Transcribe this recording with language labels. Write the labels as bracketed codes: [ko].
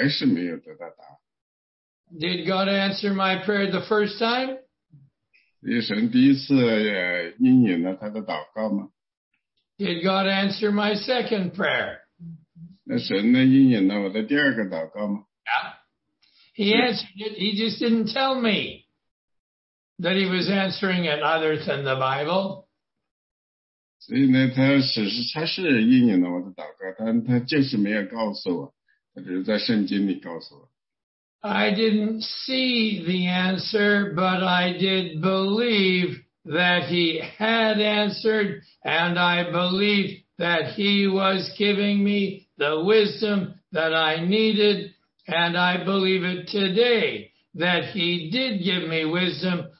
[zh] 这是已经过了50年，但是我还是没有得到答案。 [en] Did God answer my prayer the first time? [zh] 神第一次应允了他的祷告吗？ [en] Did God answer my second prayer? [zh] 那神呢，应允了我的第二个祷告吗？ [en] Yeah. He answered it, he just didn't tell me that he was answering it other than the Bible. [zh] 所以呢，他只是应允了我的祷告，但他就是没有告诉我，他只是在圣经里告诉我。 [en] I didn't see the answer, but I did believe that he had answered, and I believed that he was giving me the wisdom that I needed, and I believe it today that he did give me wisdom.